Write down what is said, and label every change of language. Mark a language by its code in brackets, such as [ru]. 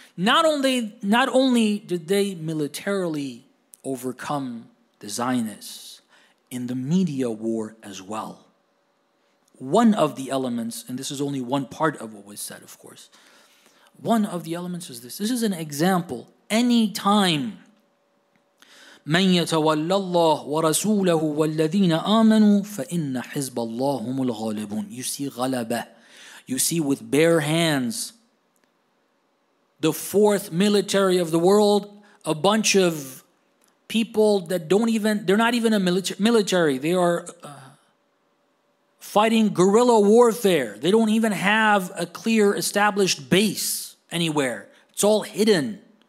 [en] Not only did they militarily overcome the Zionists in the media war as well. One of the elements, and this is only one part of what was said, of course. One of the elements is this. This is an example. Any time, [ar] مَنْ يَتَوَلَّ اللَّهُ وَرَسُولَهُ وَالَّذِينَ آمَنُوا فَإِنَّ حِزْبَ اللَّهُ هُمُ الْغَالِبُونَ [en] You see [ar] غَلَبَة. [en] You see with bare hands, the fourth military of the world, a bunch of people that don't even, they're not even a military. They are fighting guerrilla warfare. They don't even have a clear established base anywhere. It's all hidden.